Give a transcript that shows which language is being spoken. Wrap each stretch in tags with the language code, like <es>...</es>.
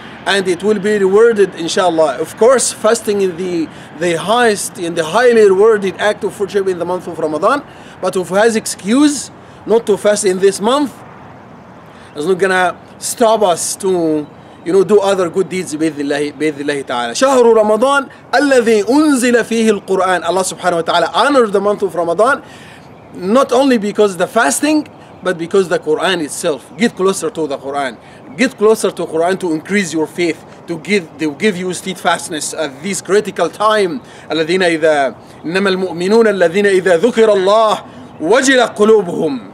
<en>And it will be rewarded, inshallah. Of course, fasting is the highest and the highly rewarded act of worship in the month of Ramadan. But if it has excuse not to fast in this month, it's not gonna stop us to, you know, do other good deeds</en> <ar>بإذن الله تعالى. شهر رمضان الذي أنزل فيه القرآن.</ar> <en>Allah subhanahu wa ta'ala honors the month of Ramadan, not only because of the fasting, but because the Quran itself. Get closer to the Quran. Get closer to Quran to increase your faith, to give you steadfastness at this critical time.</en> <ar>الَّذِينَ إِذَا إِنَّمَا الْمُؤْمِنُونَ الَّذِينَ إِذَا ذُكِرَ اللَّهُ وَجِلَ قُلُوبُهُمْ.</ar>